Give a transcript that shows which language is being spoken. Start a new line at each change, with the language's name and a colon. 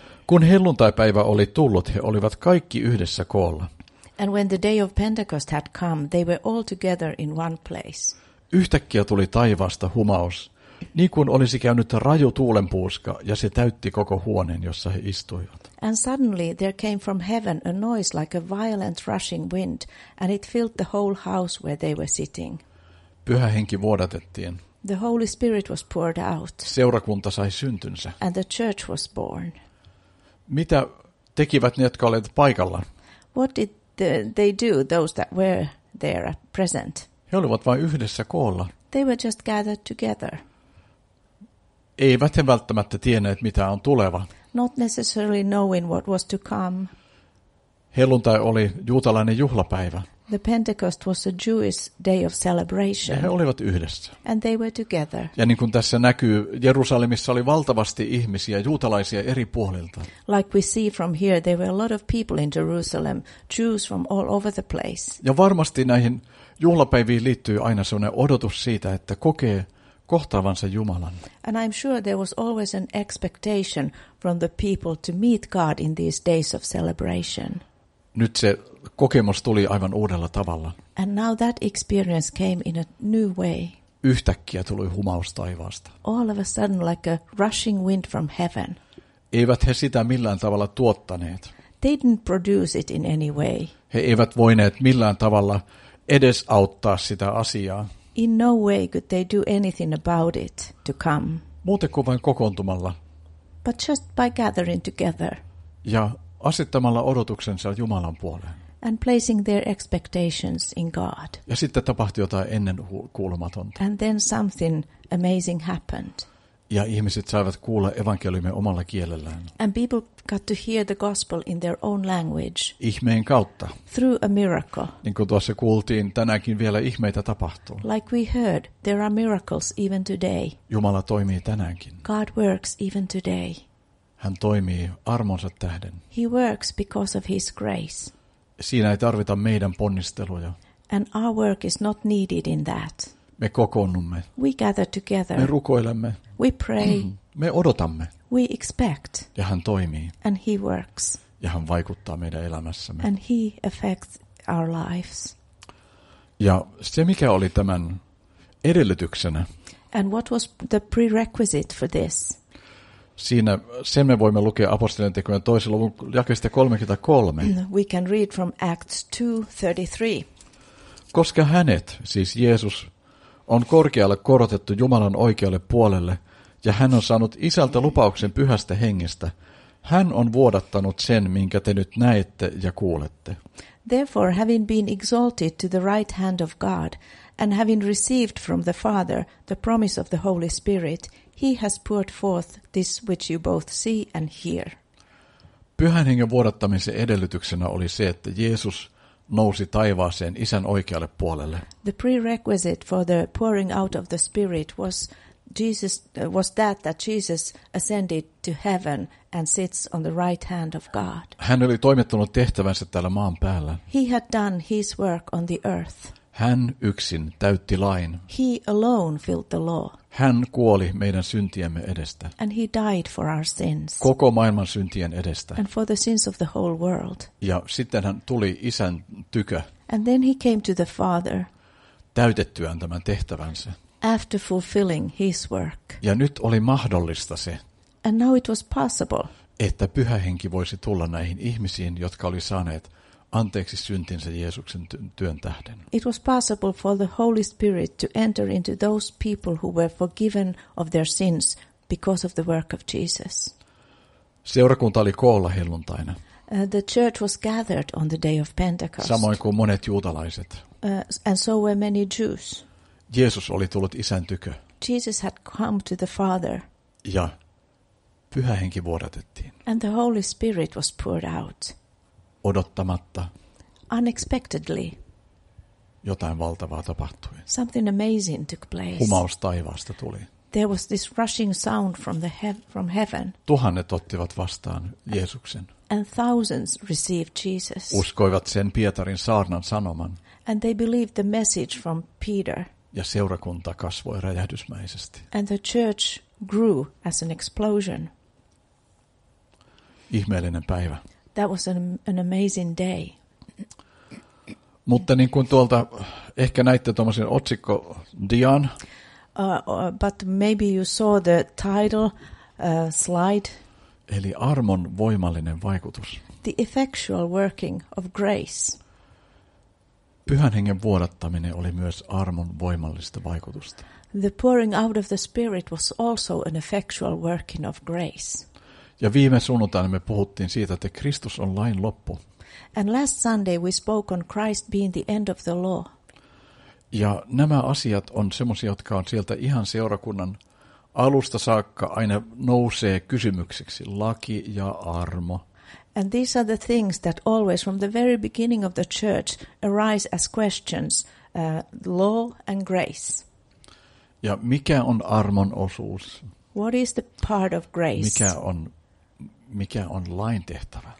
Finnish: Kun helluntaipäivä oli tullut, he olivat kaikki yhdessä koolla.
English: And when the day of Pentecost had come, they were all together in one place.
Finnish: Yhtäkkiä tuli taivaasta humaus, niin kuin olisi käynyt raju tuulenpuuska, ja se täytti koko huoneen, jossa he istuivat.
English: And suddenly there came from heaven a noise like a violent rushing wind, and it filled the whole house where they were sitting.
Finnish: Pyhä henki vuodatettiin.
English: The Holy Spirit was poured out.
Finnish: Seurakunta sai syntynsä.
English: And the church was born.
Finnish: Mitä tekivät ne, jotka olivat paikalla?
English: What did they do, those that were there at present?
Finnish: He olivat vain yhdessä koolla.
English: They were just gathered together.
Finnish: Eivät he välttämättä tienneet, mitä on tuleva.
English: Not necessarily knowing what was to come.
Finnish: Helluntai oli juutalainen juhlapäivä.
English: The Pentecost was a Jewish day of celebration.
Finnish: Ja he olivat yhdessä.
English: And they were together.
Finnish: Ja niin kuin tässä näkyy, Jerusalemissa oli valtavasti ihmisiä, juutalaisia eri puolilta.
English: Like we see from here, there were a lot of people in Jerusalem, Jews from all over the place.
Finnish: Ja varmasti näihin juhlapäiviin liittyy aina sellainen odotus siitä, että kokee kohtaavansa Jumalan.
English: And I'm sure there was always an expectation from the people to meet God in these days of celebration.
Finnish: Nyt se kokemus tuli aivan uudella tavalla.
English: And now that experience came in a new way.
Finnish: Yhtäkkiä tuli humaus taivaasta.
English: All of a sudden like a rushing wind from heaven.
Finnish: Eivät he sitä millään tavalla tuottaneet.
English: They didn't produce it in any way.
Finnish: He eivät voineet millään tavalla edesauttaa sitä asiaa.
English: In no way could they do anything about it to come.
Finnish: Muuten kuin vain kokoontumalla.
English: But just by gathering together.
Finnish: Ja asettamalla odotuksensa Jumalan puoleen.
English: And placing their expectations in God.
Finnish: Ja sitten tapahtui jotain ennen kuulumatonta.
English: And then something amazing happened.
Finnish: Ja ihmiset saivat kuulla evankeliumia omalla kielellään.
English: And people got to hear the gospel in their own language.
Finnish: Ihmeen kautta.
English: Through a miracle.
Finnish: Niin kuin tuossa kuultiin, tänäänkin vielä ihmeitä tapahtuu.
English: Like we heard, there are miracles even today.
Finnish: Jumala toimii tänäänkin.
English: God works even today.
Finnish: Hän toimii armonsa tähden.
English: He works because of his grace.
Finnish: Siinä ei tarvita meidän ponnisteluja.
English: And our work is not needed in that.
Finnish: Me kokoonnumme.
English: We gather together.
Finnish: Me rukoilemme.
English: We pray.
Finnish: Me odotamme.
English: We expect.
Finnish: Ja hän toimii.
English: And he works.
Finnish: Ja hän vaikuttaa meidän elämässämme.
English: And he affects our lives.
Finnish: Ja se, mikä oli tämän edellytyksenä.
English: And what was the prerequisite for this?
Finnish: Siinä sen me voimme lukea Apostolien tekojen toisen luvun jakeesta 33.
English: We can read from Acts 2:33.
Finnish: Koska hänet, siis Jeesus, on korkealle korotettu Jumalan oikealle puolelle, ja hän on saanut isältä lupauksen pyhästä hengestä, hän on vuodattanut sen, minkä te nyt näette ja kuulette.
English: Therefore, having been exalted to the right hand of God, and having received from the Father the promise of the Holy Spirit, he has poured forth this which you both see and hear.
Finnish: Pyhän hengen vuodattamisen edellytyksenä oli se, että Jeesus nousi taivaaseen isän oikealle puolelle.
English: The prerequisite for the pouring out of the Spirit was that Jesus ascended to heaven and sits on the right hand of God.
Finnish: Hän oli toimittanut tehtävänsä täällä maan päällä.
English: He had done his work on the earth.
Finnish: Hän yksin täytti lain.
English: He alone filled the law.
Finnish: Hän kuoli meidän syntiemme edestä.
English: And he died for our sins.
Finnish: Koko maailman syntien edestä.
English: And for the sins of the whole world.
Finnish: Ja sitten hän tuli isän tykö.
English: And then he came to the Father.
Finnish: Täytettyään tämän tehtävänsä.
English: After fulfilling his work.
Finnish: Ja nyt oli mahdollista se.
English: And now it was possible.
Finnish: Että Pyhä Henki voisi tulla näihin ihmisiin, jotka oli saaneet anteeksi syntinsä Jeesuksen työn tähden.
English: It was possible for the Holy Spirit to enter into those people who were forgiven of their sins because of the work of Jesus.
Finnish: Seurakunta oli koolla helluntaina.
English: The church was gathered on the day of Pentecost.
Finnish: Samoin kuin monet juutalaiset.
English: And so were many Jews.
Finnish: Jeesus oli tullut isän tykö.
English: Jesus had come to the Father.
Finnish: Ja Pyhä Henki vuodatettiin.
English: And the Holy Spirit was poured out.
Finnish: Odottamatta.
English: Unexpectedly.
Finnish: Jotain valtavaa tapahtui.
English: Something amazing took place.
Finnish: Humaus taivaasta tuli.
English: There was this rushing sound from the from heaven.
Finnish: Tuhannet ottivat vastaan Jeesuksen.
English: And thousands received Jesus.
Finnish: Uskoivat sen Pietarin saarnan sanoman.
English: And they believed the message from Peter.
Finnish: Ja seurakunta kasvoi räjähdysmäisesti.
English: And the church grew as an explosion.
Finnish: Ihmeellinen päivä.
English: That was an amazing day.
Finnish: Mutta niin kuin tuolta ehkä näitte tuommoisen otsikko dian.
English: But maybe you saw the title slide.
Finnish: Eli armon voimallinen vaikutus.
English: The effectual working of grace.
Finnish: Pyhän Hengen vuodattaminen oli myös armon voimallista vaikutusta.
English: The pouring out of the Spirit was also an effectual working of grace.
Finnish: Ja viime sunnuntaina me puhuttiin siitä, että Kristus on lain loppu.
English: And last Sunday we spoke on Christ being the end of the law.
Finnish: Ja nämä asiat on semmoisia, jotka on sieltä ihan seurakunnan alusta saakka aina nousee kysymykseksi. Laki ja armo.
English: And these are the things that always from the very beginning of the church arise as questions, law and grace.
Finnish: Ja mikä on armon osuus?
English: What is the part of grace?
Finnish: Mikä on lain tehtävä?